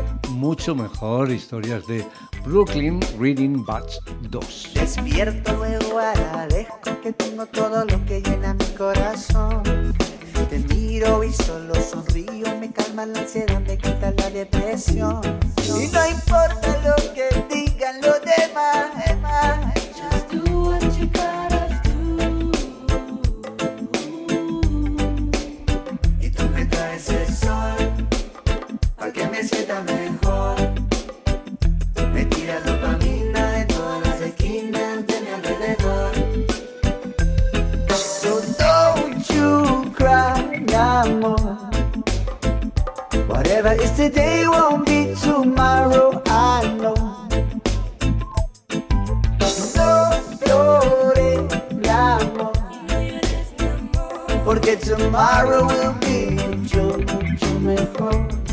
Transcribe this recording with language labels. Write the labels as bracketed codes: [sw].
[es] Mucho mejor, historias de Brooklyn Reading Batch 2. Despierto luego, agradezco que tengo todo lo que llena mi corazón. Te miro y solo sonrío, me calma la ansiedad, me quita la depresión. Y no importa lo que digan los demás, [en] just do what you gotta do. [es] Y tú me traes el sol, pa' que me sienta mejor. Me tira dopamina en todas las esquinas de mi alrededor. [en] So don't you cry no more. Whatever is today won't be tomorrow, I know. [es] No llore, mi amor, porque [en] tomorrow will be [es] mucho, mucho mejor.